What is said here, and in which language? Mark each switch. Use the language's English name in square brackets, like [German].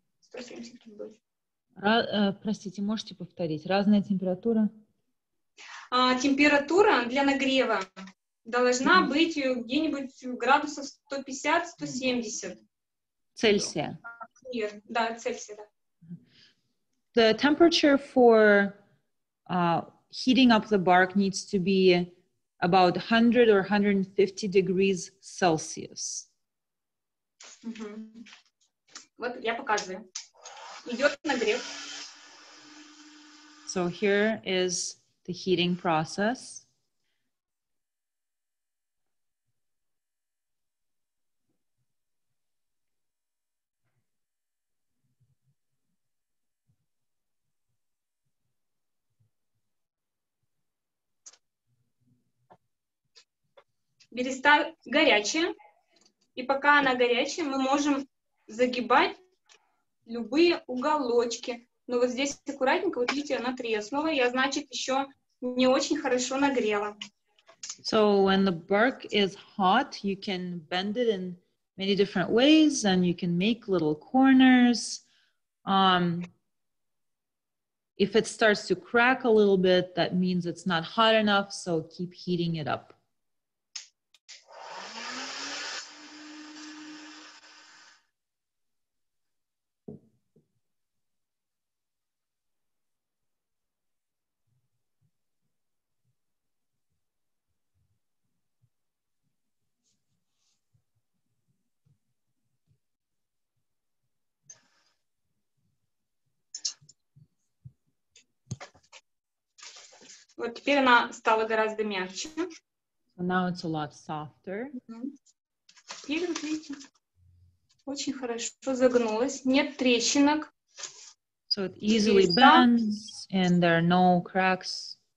[Russian] Простите, можете повторить? Разная температура? Температура для нагрева должна быть где-нибудь градусов 150-170. Цельсия. [English] Yeah. The temperature for heating up the bark needs to be about 100 or 150 degrees Celsius. So here is the heating process. [Russian] Береста горячая, и пока она горячая, мы можем загибать любые уголочки. Но вот здесь аккуратненько, вот видите, она треснула, я, значит, еще не очень хорошо нагрела. [English] So when the bark is hot, you can bend it in many different ways, and you can make little corners. If it starts to crack a little bit, that means it's not hot enough, so keep heating it up. [Russian] Вот теперь она стала гораздо мягче. [English] So now it's a lot softer. [Russian] Теперь, вот видите, очень хорошо загнулась. Нет трещинок. [English] So it easily bends and there are no cracks.